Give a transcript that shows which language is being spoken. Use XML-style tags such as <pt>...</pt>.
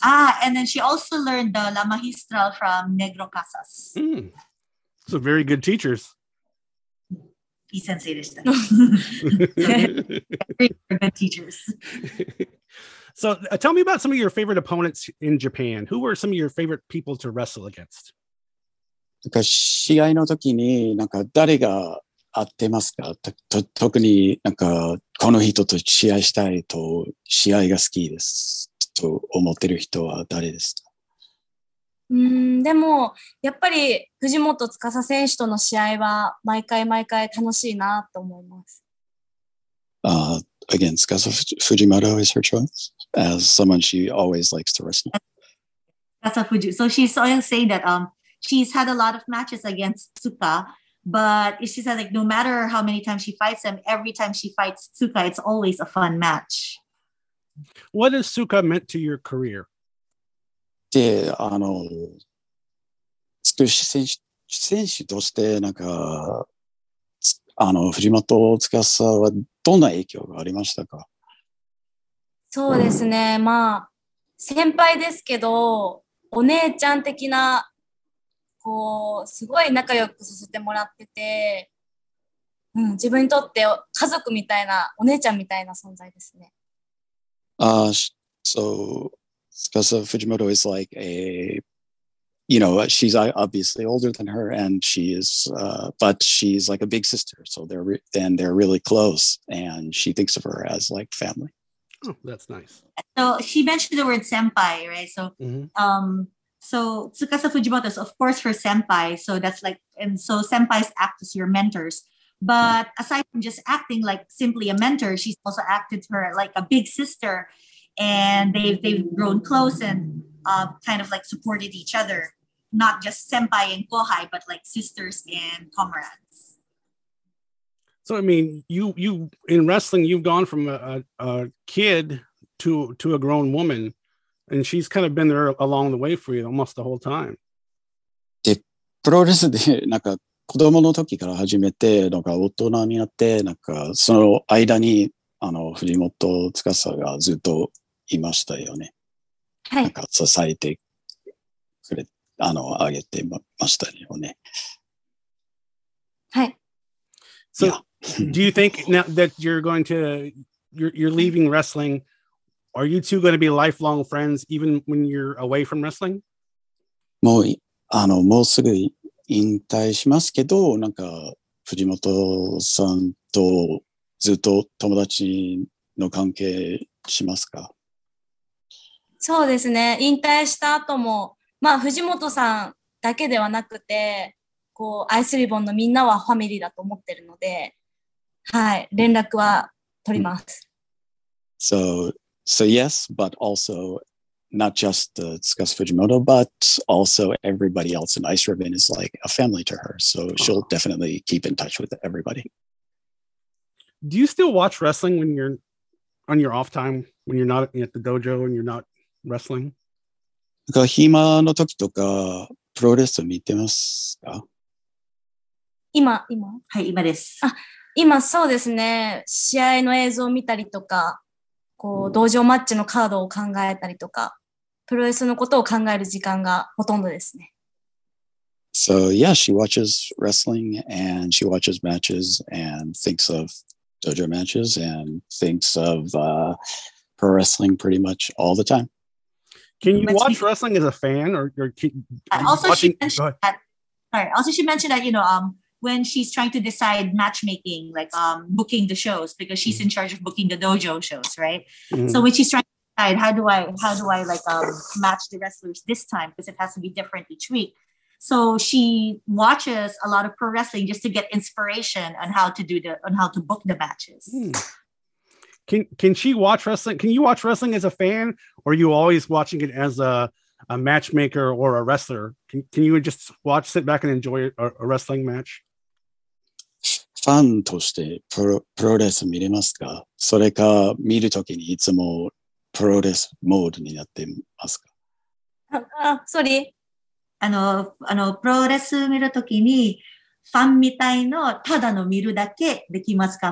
<en>Ah, and then she also learned the La Maestral from Negro Casas. Mm. So very good teachers. He said it. Very good teachers. So tell me about some of your favorite opponents in Japan. Who were some of your favorite people to wrestle against?</en> <ja>なんか試合の時になんか誰が合ってますか？特になんかこの人と試合したいと試合が好きですと思ってる人は誰ですか？でもやっぱり藤本司選手との試合は毎回毎回楽しいなと思います。</ja> <en>Again, Tsukasa Fujimoto is her choice as someone she always likes to wrestle. Tsukasa Fuji. So she's always saying that she's had a lot of matches against Tsuka, but she said like no matter how many times she fights him, every time she fights Tsuka, it's always a fun match. What has Tsuka meant to your career?</en> <ja>で、あの、選手としてなんか、あの、藤本司はどんな影響がありましたか？そうですね、まあ先輩ですけどお姉ちゃん的なこうすごい仲良くさせてもらってて、うん、自分にとって家族みたいなお姉ちゃんみたいな存在ですね。</ja> <en>So Tsukasa Fujimoto is like a, you know, she's obviously older than her and she is, but she's like a big sister. So they're really close and she thinks of her as like family. Oh, that's nice. So she mentioned the word senpai, right? So, mm-hmm. So Tsukasa Fujimoto is of course her senpai. So that's like, and so senpais act as your mentors. But aside from just acting like simply a mentor, she's also acted to her like a big sister and they've grown close and, kind of like supported each other, not just senpai and kohai, but like sisters and comrades. So, I mean, you in wrestling, you've gone from a kid to a grown woman, and she's kind of been there along the way for you almost the whole time.</en> <ja>で、プロレスでなんか子供の時から始めて、なんか大人になって、なんかその間にあの藤本司がずっといましたよね。はい、なんか支えてくれ、あの、あげてましたよね。はい。</ja> <en>So, <Yeah. laughs> do you think now that you're going to, you're leaving wrestling, are you two going to be lifelong friends even when you're away from wrestling?</en> <ja>もう、あの、もうすぐ引退しますけど、なんか、藤本さんとずっと友達の関係しますか？そうですね。引退した後も、まあ、藤本さんだけではなくて、こう、アイスリボンのみんなはファミリーだと思ってるので、はい、連絡は取ります。</ja> <en>So yes, but also, not just Tsukasa Fujimoto, but also everybody else in Ice Ribbon is like a family to her, so she'll definitely keep in touch with everybody. Do you still watch wrestling when you're on your off time, when you're not at the dojo and you're not wrestling?</en> <ja>なんか暇の時とかプロレス見てますか？今はい、今です。あ、今そうですね、試合の映像を見たりとか、こう道場マッチのカードを考えたりとか、プロレスのことを考える時間がほとんどですね。</ja> <en>So yeah, she watches wrestling and she watches matches and thinks of dojo matches and thinks of pro wrestling pretty much all the time. Can you watch wrestling as a fan, or can, also watching, she mentioned that. Sorry, also she mentioned that, you know, when she's trying to decide matchmaking, like booking the shows, because she's in charge of booking the dojo shows, right? Mm-hmm. So when she's trying to decide how do I like match the wrestlers this time, because it has to be different each week. So she watches a lot of pro wrestling just to get inspiration on how to do the on how to book the matches. Can she watch wrestling? Can you watch wrestling as a fan, or are you always watching it as a matchmaker or a wrestler? Can you just watch, sit back and enjoy a wrestling match?</en> <ja>ファンとしてプロレス見れますか？それか見るときにいつもプロレスモードになってますか？</ja> <en>Sorry.</en> <ja>あのプロレス見るときにファンみたいのただの見るだけできますか？</ja>